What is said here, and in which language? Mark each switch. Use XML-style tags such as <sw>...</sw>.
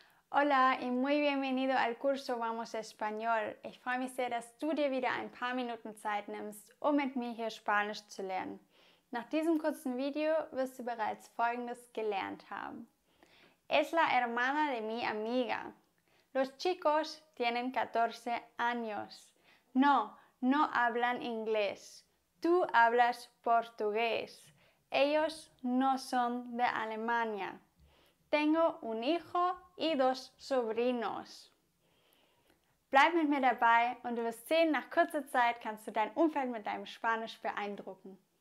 <es>Hola y muy bienvenido al curso Vamos Español.</es> <de>Ich freue mich sehr, dass du dir wieder ein paar Minuten Zeit nimmst, um mit mir hier Spanisch zu lernen. Nach diesem kurzen Video wirst du bereits Folgendes gelernt haben.</de> <es>Es la hermana de mi amiga. Los chicos tienen 14 años. No, no hablan inglés. Tú hablas portugués. Ellos no son de Alemania. Tengo un hijo y dos sobrinos.</es> <de>Bleib mit mir dabei und du wirst sehen, nach kurzer Zeit kannst du dein Umfeld mit deinem Spanisch beeindrucken.</de>